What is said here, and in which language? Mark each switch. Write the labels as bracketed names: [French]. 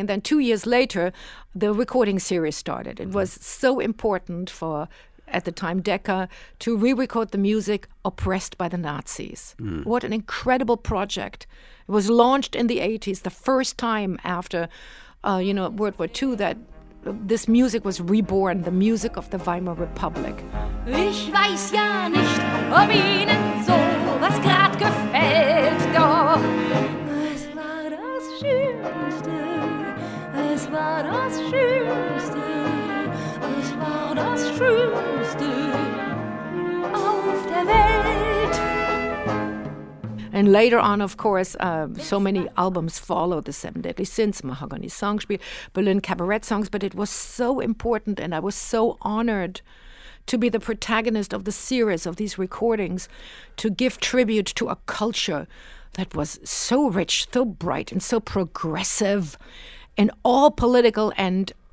[English] And then 2 years later, the recording series started. It was so important for, at the time, Decca, to re-record the music oppressed by the Nazis. Mm. What an incredible project. It was launched in the 80s, the first time after you know, World War II, that this music was reborn, the music of the Weimar Republic. [German] Ich weiß ja nicht, ob Ihnen so was grad gefällt, doch es war das Schönste, es war das Schönste, es war das Schönste auf der Welt. [English] And later on, of course, so many albums follow the Seven Deadly Sins, Mahogany Songspiel, Berlin Cabaret Songs, but it was so important and I was so honored to be the protagonist of the series of these recordings, to give tribute to a culture that was so rich, so bright, and so progressive in all political and